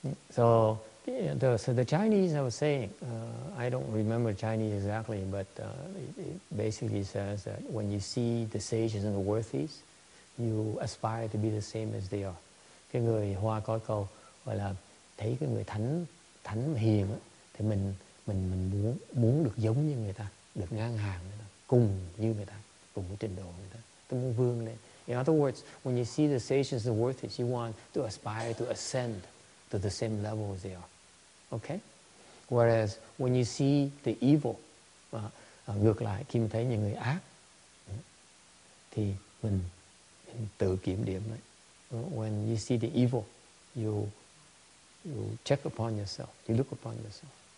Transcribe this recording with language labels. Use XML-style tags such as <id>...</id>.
<en>So the Chinese, I was saying, I don't remember Chinese exactly, but it basically says that when you see the sages and the worthies, you aspire to be the same as they are.</en> <vi>Cái người Hoa có câu gọi là thấy cái người thánh hiền á, thì mình muốn được giống như người ta, được ngang hàng người ta, cùng như người ta, cùng với trình độ người ta. Tôi muốn vươn lên.</vi> <en>In other words, when you see the sages and the worthies, you want to aspire to ascend to the same level as they are, okay? Whereas when you see the evil,</en> <vi>ngược lại, khi mình thấy những người ác, thì mình tự kiểm điểm lại.</vi> <en>When you see the evil, you check upon yourself, you look upon yourself.</en>